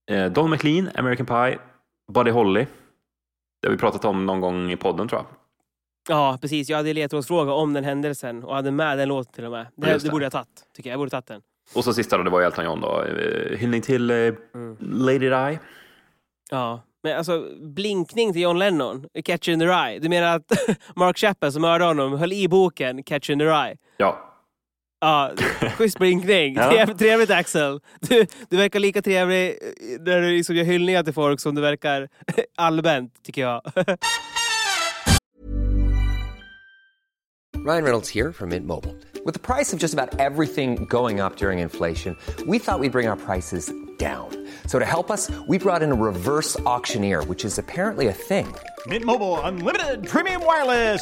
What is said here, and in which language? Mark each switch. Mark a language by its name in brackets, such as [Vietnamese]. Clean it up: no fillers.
[Swedish] Don McLean, American Pie, Buddy Holly. Det har vi pratat om någon gång i podden, tror jag. Ja, precis. Jag hade ledtrådsfråga om den händelsen och hade med den låten till och med. Det, det borde jag tagit, tycker jag. Jag borde tagit den. Och så sista då, det var ju Elton John då. Hyllning till Lady Di. Ja, men alltså blinkning till John Lennon, Catcher in the Rye. Du menar att Mark Chapman som hörde honom höll i boken Catcher in the Rye? Ja. Ja, schysst blinkning. Ja. Trevligt, Axel. Du verkar lika trevlig när du liksom gör hyllningar till folk som du verkar allmänt, tycker jag. [English] Ryan Reynolds here from Mint Mobile. With the price of just about everything going up during inflation, we thought we'd bring our prices down. So to help us, we brought in a reverse auctioneer, which is apparently a thing. Mint Mobile Unlimited Premium Wireless.